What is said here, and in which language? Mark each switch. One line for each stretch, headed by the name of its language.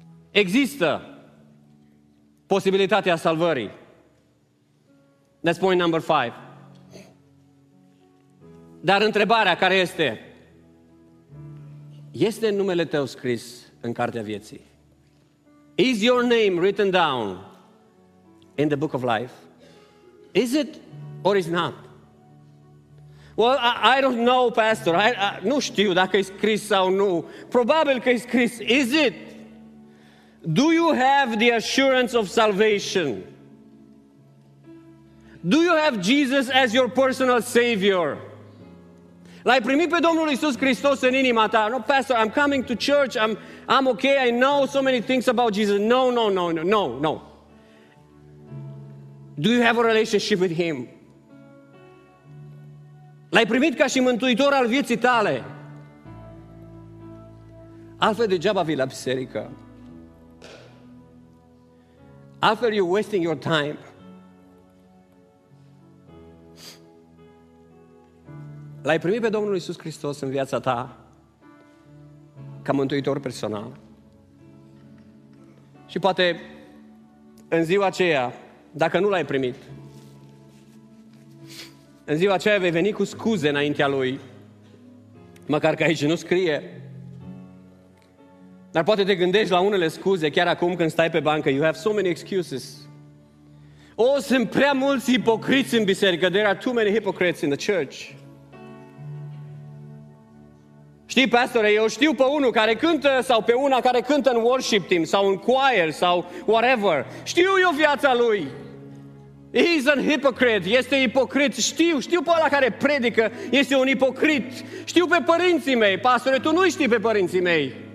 Romanian: Există posibilitatea salvării.
English: That's point number five.
Romanian: Dar întrebarea care este? Este numele tău scris în cartea vieții?
English: Is your name written down in the book of life? Is it or is not? Well, I don't know, pastor.
Romanian: Nu știu dacă e scris sau nu. Probabil că e scris.
English: Is it? Do you have the assurance of salvation? Do you have Jesus as your personal savior?
Romanian: L-ai primit pe Domnul Iisus Hristos în inima ta?
English: No, pastor, I'm coming to church. I'm okay. I know so many things about Jesus. No. Do you have a relationship with him?
Romanian: L-ai primit ca și mântuitor al vieții tale? Altfel degeaba vii la biserică. Altfel
English: you're wasting your time.
Romanian: L-ai primit pe Domnul Iisus Hristos în viața ta ca mântuitor personal? Și poate în ziua aceea, dacă nu l-ai primit, în ziua aceea vei veni cu scuze înaintea Lui, măcar că aici nu scrie. Dar poate te gândești la unele scuze chiar acum când stai pe bancă.
English: You have so many excuses.
Romanian: Oh, sunt prea mulți ipocriți în biserică.
English: There are too many hypocrites in the church.
Romanian: Știi, pastore, eu știu pe unul care cântă sau pe una care cântă în worship team sau în choir sau whatever. Știu eu viața lui.
English: He's a hypocrite,
Romanian: este ipocrit. Știu pe ăla care predică, este un ipocrit. Știu pe părinții mei, pastore, tu nu știi pe părinții mei.